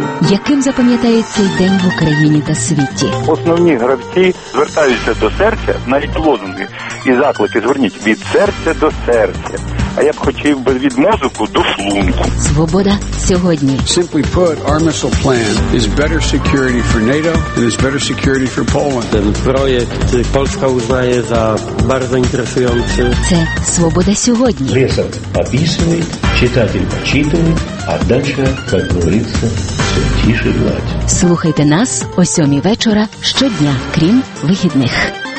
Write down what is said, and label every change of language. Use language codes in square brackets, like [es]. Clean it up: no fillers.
[uk] Яким запам'ятається день в Україні та світі? Основні гравці звертаються до серця, навіть лозунги і заклики зверніть від серця до серця. А я б хотів би від мозку до шлунку. Свобода сьогодні. [en] Simply put, our missile plan is better security for NATO and is better security for Poland. [uk] Цей проєкт Польща визнає за дуже інтересуючий. Це «Свобода сьогодні». Лесов описує, читатель почитує, а далі, як говориться, тише гладь. Слухайте нас о 7 вечора щодня, крім вихідних.